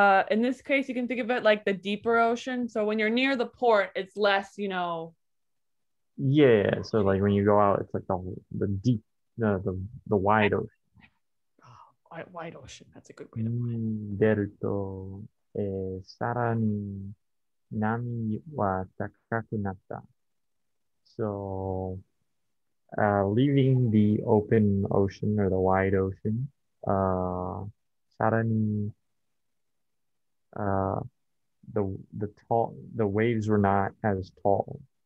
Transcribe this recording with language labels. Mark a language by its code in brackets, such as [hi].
[en] In this case, you can think of it like the deeper ocean. So when you're near the port, it's less, you know. Yeah, so like when you go out, it's like the deep, the wide ocean. Wide ocean, that's a good way to put it. [ja] 出ると、さらに波は高くなった。 [en] So leaving the open ocean or the wide ocean, さらにthe waves were not as tall.